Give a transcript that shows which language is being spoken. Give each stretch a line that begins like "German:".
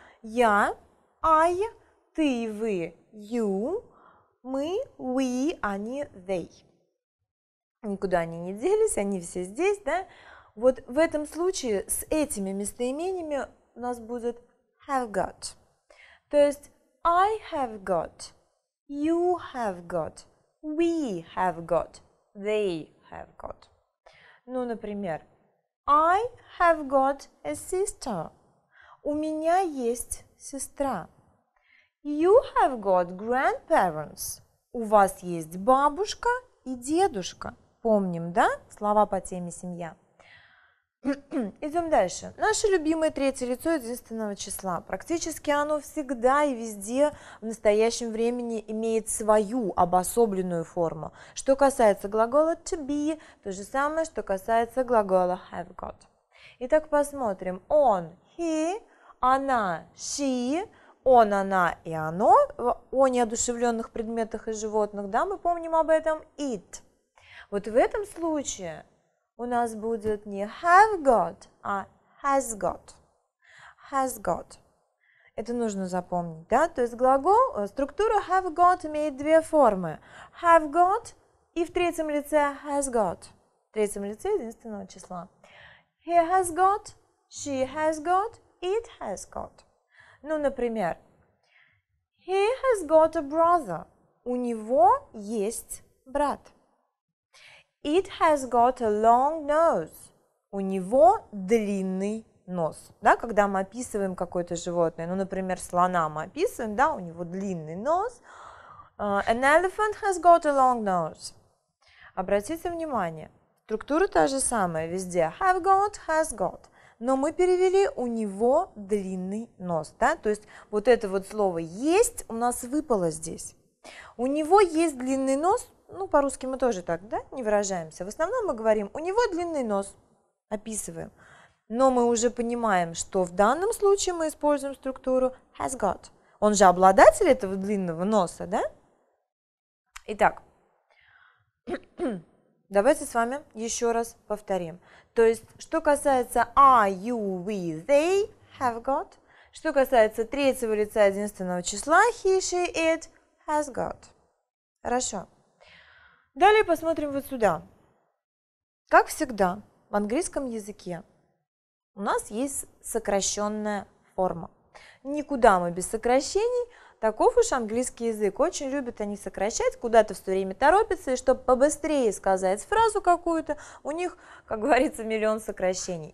Russian: Я, I, ты, вы, you, мы, we, они, they. Никуда они не делись, они все здесь, да? Вот в этом случае с этими местоимениями у нас будет have got. То есть
English: I have got, you have got, we have got, they have got.
Russian: Ну, например,
English: I have got a sister.
Russian: У меня есть сестра.
English: You have got grandparents.
Russian: У вас есть бабушка и дедушка. Помним, да? Слова по теме семья. Идем дальше. Наше любимое третье лицо единственного числа. Практически оно всегда и везде в настоящем времени имеет свою обособленную форму. Что касается глагола to be, то же самое, что касается глагола have got. Итак, посмотрим. Он, he, она, she. Он, она и оно, о неодушевленных предметах и животных, да, мы помним об этом, it. Вот в этом случае у нас будет не have got, а has got. Has got. Это нужно запомнить, да? То есть глагол, структура have got имеет две формы. Have got и в третьем лице has got. В третьем лице единственного числа.
English: He has got, she has got, it has got.
Russian: Ну, например,
English: he has got a brother.
Russian: У него есть брат.
English: It has got a long nose.
Russian: У него длинный нос. Да, когда мы описываем какое-то животное, ну, например, слона мы описываем, да, у него длинный нос.
English: An elephant has got a long nose.
Russian: Обратите внимание, структура та же самая везде.
English: Have got, has got.
Russian: Но мы перевели «у него длинный нос», да? То есть вот это вот слово «есть» у нас выпало здесь. «У него есть длинный нос», ну, по-русски мы тоже так, да, не выражаемся. В основном мы говорим «у него длинный нос», описываем. Но мы уже понимаем, что в данном случае мы используем структуру has got. Он же обладатель этого длинного носа, да? Итак, давайте с вами еще раз повторим. То есть, что касается are,
English: you, we, they have got,
Russian: что касается третьего лица единственного числа,
English: he, she, it has got.
Russian: Хорошо. Далее посмотрим вот сюда. Как всегда, в английском языке у нас есть сокращенная форма. Никуда мы без сокращений. Таков уж английский язык. Очень любят они сокращать, куда-то все время торопятся, и чтобы побыстрее сказать фразу какую-то, у них, как говорится, миллион сокращений.